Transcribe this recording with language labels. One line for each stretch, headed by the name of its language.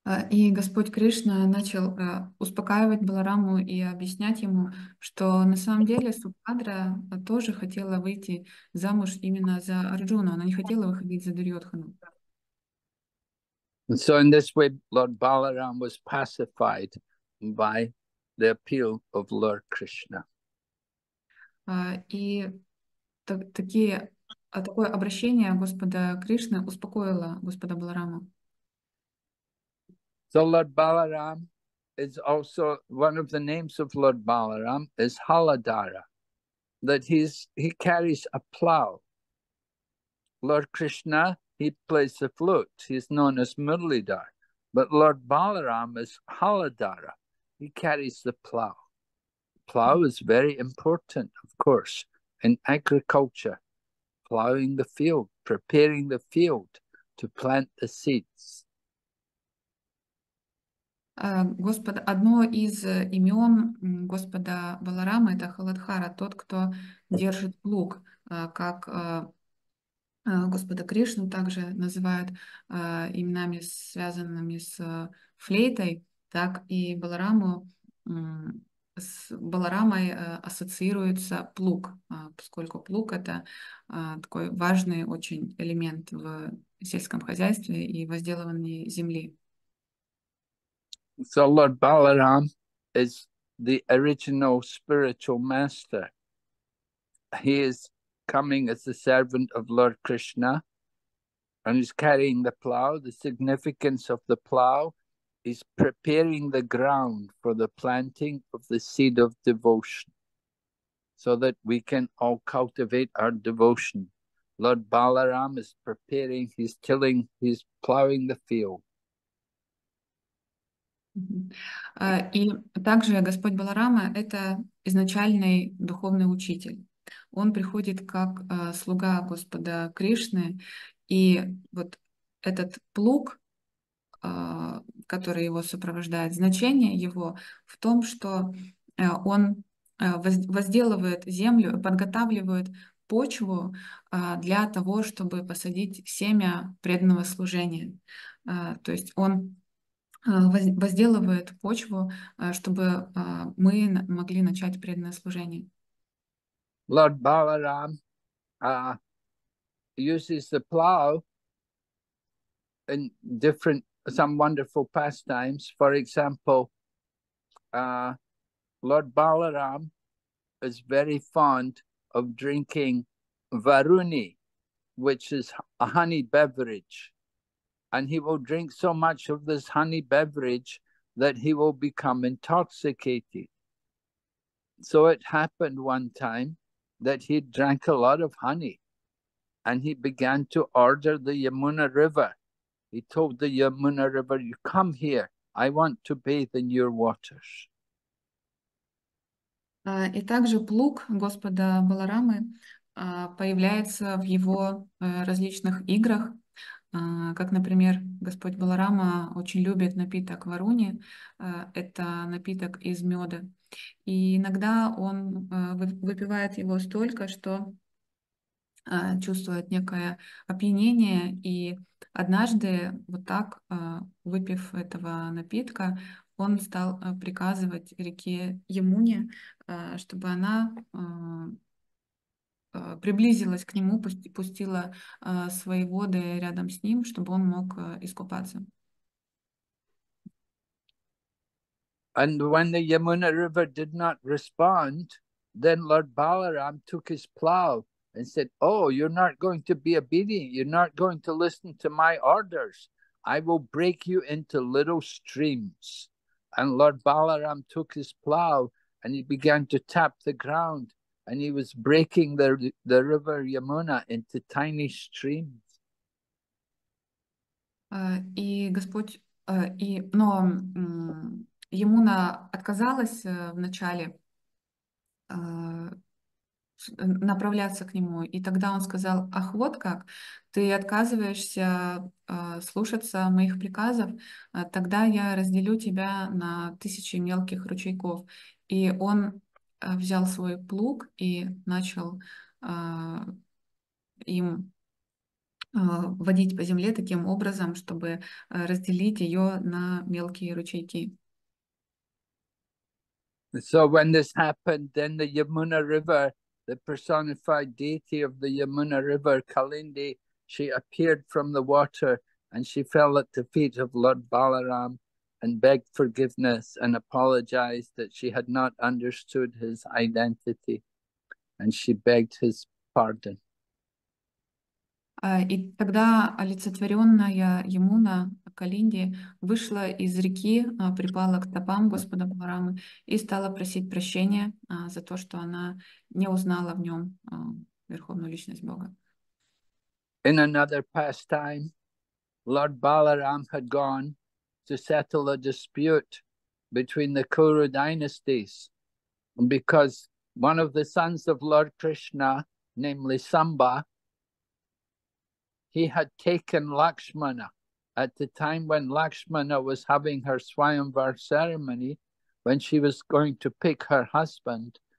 Russian: И Господь Кришна начал успокаивать Балараму и объяснять ему, что на самом деле Субхадра тоже хотела выйти замуж именно за Арджуну, она не хотела выходить за Дурьотхану.
English: And so in this way, Lord Balaram was pacified by the appeal of Lord Krishna.
Russian: И такие А такое обращение Господа Кришны успокоило Господа Баларама.
English: So Lord Balaram is also one of the names of Lord Balaram is Haladara, that he carries a plow. Lord Krishna, he plays the flute. He's known as Muralidhar, but Lord Balaram is Haladara. He carries the plow. Plow is very important, of course, in agriculture, plowing the field, preparing the field to plant the seeds.
Russian: Господа, одно из имен Господа Баларама — это Халадхара, тот, кто держит плуг, как Господа Кришну также называют именами, связанными с флейтой, так и Балараму, с Баларамой ассоциируется плуг, поскольку плуг — это такой важный очень элемент в сельском хозяйстве и возделывании земли.
English: So Lord Balaram is the original spiritual master. He is coming as the servant of Lord Krishna and he's carrying the plow, the significance of the plow. He's preparing the ground for the planting of the seed of devotion so that we can all cultivate our devotion. Lord Balaram is preparing, he's tilling, he's plowing the field.
Russian: И также Господь Баларама — это изначальный духовный учитель. Он приходит как слуга Господа Кришны, и вот этот плуг, который его сопровождает, значение его в том, что он возделывает землю, подготавливает почву для того, чтобы посадить семя преданного служения. То есть он возделывает почву, чтобы мы могли начать преданное служение.
English: Lord Balaram uses the plow in different, some wonderful pastimes. For example, Lord Balaram is very fond of drinking Varuni, which is a honey beverage. And he will drink so much of this honey beverage that he will become intoxicated. So it happened one time that he drank a lot of honey and he began to order the Yamuna River. He told the Yamuna River, "You come here, I want to bathe in your waters."
Russian: И также плуг Господа Баларамы появляется в его различных играх. Как, например, Господь Баларама очень любит напиток Варуни, это напиток из меда. И иногда он выпивает его столько, что чувствует некое опьянение. И однажды, вот так, выпив этого напитка, он стал приказывать реке Ямуне, чтобы она приблизилась к нему, пустила свои воды рядом с ним, чтобы он мог искупаться.
English: And when the Yamuna River did not respond, then Lord Balaram took his plow and said, "Oh, you're not going to be obedient. You're not going to listen to my orders. I will break you into little streams." And Lord Balaram took his plow and he began to tap the ground. And he was breaking the river Yamuna into tiny streams.
Russian: И Господь, и, но Ямуна отказалась вначале направляться к нему, и тогда он сказал: "Ах, вот как, ты отказываешься слушаться моих приказов, тогда я разделю тебя на тысячи мелких ручейков". И он взял свой плуг и начал им водить по земле таким образом, чтобы разделить ее на мелкие ручейки.
English: So when this happened, then the Yamuna River, the personified deity of the Yamuna River, Kalindi, she appeared from the water and she fell at the feet of Lord Balaram and begged forgiveness and apologized that she had not understood his identity and she begged his pardon.
Russian: И тогда олицетворенная Ямуна Калинди вышла из реки, припала к стопам Господа Баларамы и стала просить прощения за то, что она не узнала в нем Верховную Личность Бога.
English: In another pastime, Lord Balaram had gone to settle a dispute between the Kuru dynasties because one of the sons of Lord Krishna, namely Samba, he had taken Lakshmana at the time when Lakshmana was having her Swayamvar ceremony, when she was going to pick her husband.